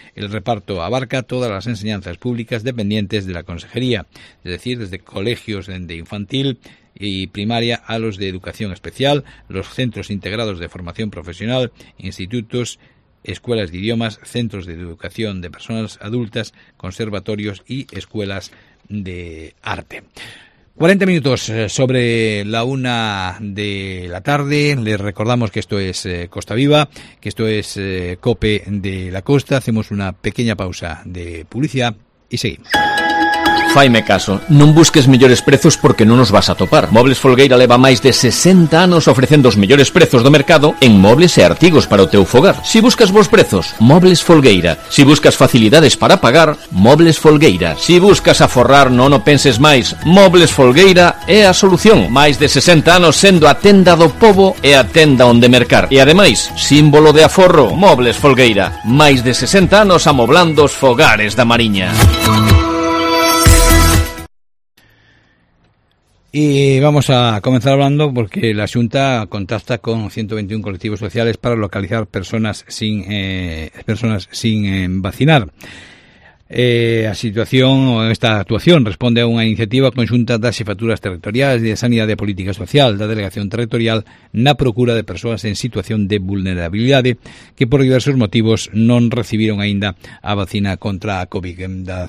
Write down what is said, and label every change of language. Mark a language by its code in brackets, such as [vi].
[es] El reparto abarca todas las enseñanzas públicas dependientes de la consejería, es decir, desde colegios de infantil y primaria a los de educación especial, los centros integrados de formación profesional, institutos, escuelas de idiomas, centros de educación de personas adultas, conservatorios y escuelas de arte. 40 minutos sobre la una de la tarde. Les recordamos que esto es Costa Viva, que esto es COPE de la Costa. Hacemos una pequeña pausa de publicidad y seguimos. [gl] Faime caso, non busques mellores prezos porque non os vas a topar. Mobles Folgueira leva máis de 60 anos ofrecendo os mellores prezos do mercado en mobles e artigos para o teu fogar. Si buscas bons prezos, Mobles Folgueira. Si buscas facilidades para pagar, Mobles Folgueira. Si buscas aforrar, non o penses máis. Mobles Folgueira é a solución. Máis de 60 anos sendo a tenda do pobo e a tenda onde mercar. E ademais, símbolo de aforro, Mobles Folgueira. Máis de 60 anos amoblando os fogares da Mariña. [es] Y vamos a comenzar hablando porque la Xunta contacta con 121 colectivos sociales para localizar personas sin vacinar. [gl] A situación, esta actuación responde a unha iniciativa conxunta das xefaturas territoriales de Sanidade e Política Social da Delegación Territorial na procura de persoas en situación de vulnerabilidade que por diversos motivos non recibiron aínda a vacina contra a COVID-19.